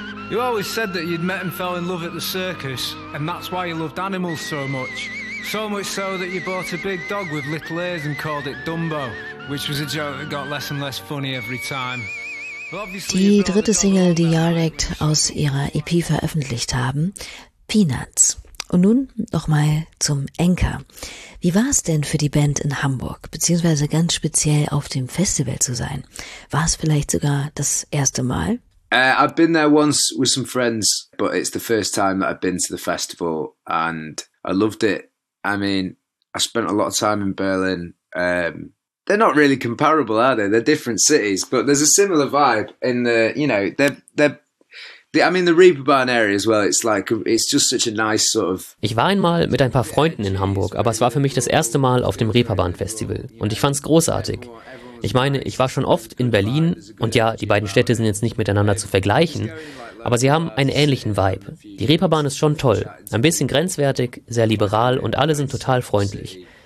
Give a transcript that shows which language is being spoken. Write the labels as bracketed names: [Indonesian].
[English] You always said that you'd met and fell in love at the circus, and that's why you loved animals so much. So much so that you bought a big dog with little ears and called it Dumbo, which was a joke that got less and less funny every time. [German] Die dritte Single, die Yard Act aus ihrer EP veröffentlicht haben, Peanuts. Und nun nochmal zum Anchor. Wie war es denn für die Band in Hamburg, beziehungsweise ganz speziell auf dem Festival zu sein? War es vielleicht sogar das erste Mal? [English] I've been there once with some friends, but it's the first time that I've been to the festival and I loved it. I mean, I spent a lot of time in Berlin. They're not really comparable, are they? They're different cities, but there's a similar vibe in the, you know, the Reeperbahn area as well. It's like, it's just such a nice sort of... [German] Ich war einmal mit ein paar Freunden in Hamburg, aber es war für mich das erste Mal auf dem Reeperbahn-Festival und ich fand's großartig. Ich meine, ich war schon oft in Berlin und ja, die beiden Städte sind jetzt nicht miteinander zu vergleichen, aber sie haben einen ähnlichen Vibe. Die Reeperbahn ist schon toll, ein bisschen grenzwertig, sehr liberal und alle sind total freundlich.